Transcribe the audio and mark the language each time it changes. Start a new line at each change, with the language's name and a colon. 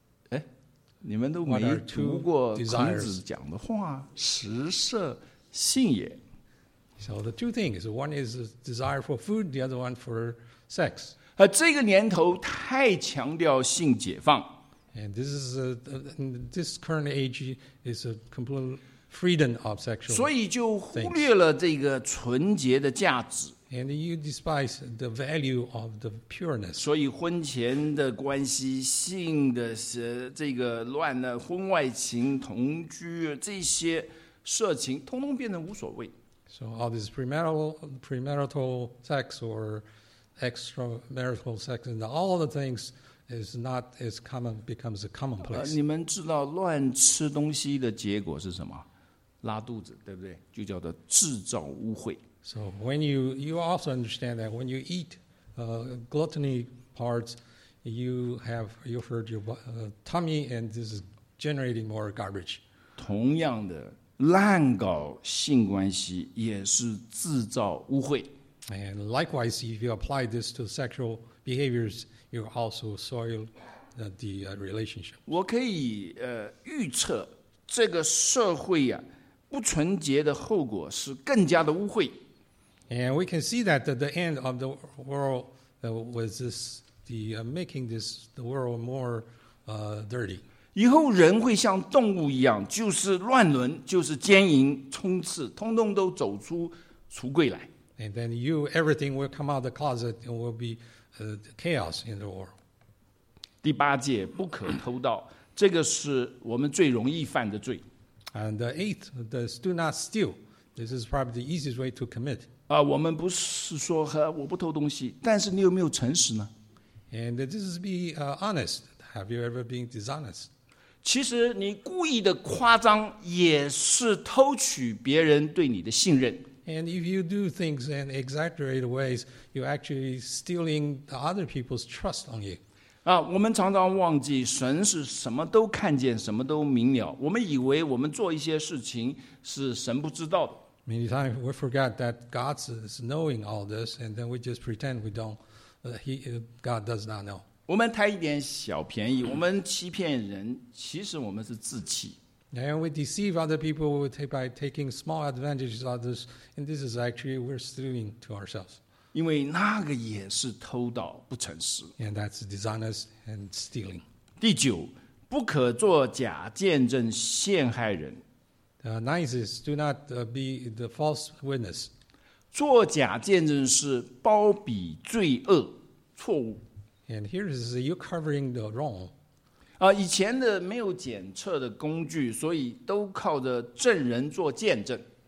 Chinese: 哎，你们都没读过孔子讲的话，食色性也。
English: So the two things, one is a desire for food, the other one for sex.
Chinese: 这个年头太强调性解放。
English: And this is this current age is a complete. Freedom of sexual,
Chinese: 所以就忽略了这个纯洁的价值。
English: And you despise the value of the pureness.
Chinese: 所以婚前的关系、性的这个乱的婚外情、同居这些，色情通通变成无所谓。
English: So all this premarital sex or extramarital sex and all the things is not as common, becomes a commonplace.
Chinese: 你们知道乱吃东西的结果是什么？拉肚子，对不对？就叫做制造污秽。
English: So when you also understand that when you eat gluttony parts, you've heard your tummy and this is generating more garbage.
Chinese: 同样的，滥搞性关系也是制造污秽。
English: And likewise, if you apply this to sexual behaviors, you also soil the relationship.
Chinese: 我可以预测这个社会呀、啊、不纯洁的后果是更加的污秽。
English: And we can see that at the end of the world was this making this the world more dirty.
Chinese: 以后人会像动物一样，就是乱伦，就是奸淫、冲刺，通通都走出橱柜来。
English: And then everything will come out of the closet and will be chaos in the world.
Chinese: 第八戒不可偷盗，这个是我们最容易犯的罪。
English: And the eighth, do not steal. This is probably the easiest way to commit.
Chinese: 啊，我们不是说我不偷东西，但是你有没有诚实呢？
English: And this is be honest. Have you ever been dishonest?
Chinese: 其实你故意的夸张也是偷取别人对你的信任。
English: And if you do things in exaggerated ways, you're actually stealing the other people's trust on you.
Chinese: 啊，我们常常忘记神是什么都看见，什么都明了。我们以为我们做一些事情是神不知道的。
English: Many times we forget that God is knowing all this, and then we just pretend we don't. God does not know.
Chinese: 我们贪一点小便宜，我们欺骗人，其实我们是自欺。
English: And we deceive other people by taking small advantages of this, and this is actually we're stealing to ourselves.
Chinese: 因为那个也是偷盗不诚实。
English: And that's dishonest and stealing.
Chinese: 第九，不可做假见证陷害人。
English: Ninth is do not be the false witness.
Chinese: 做假见证是包庇罪恶错误。
English: And here is you covering the wrong.
Chinese: 以前的没有检测的工具，所以都靠着证人做见证。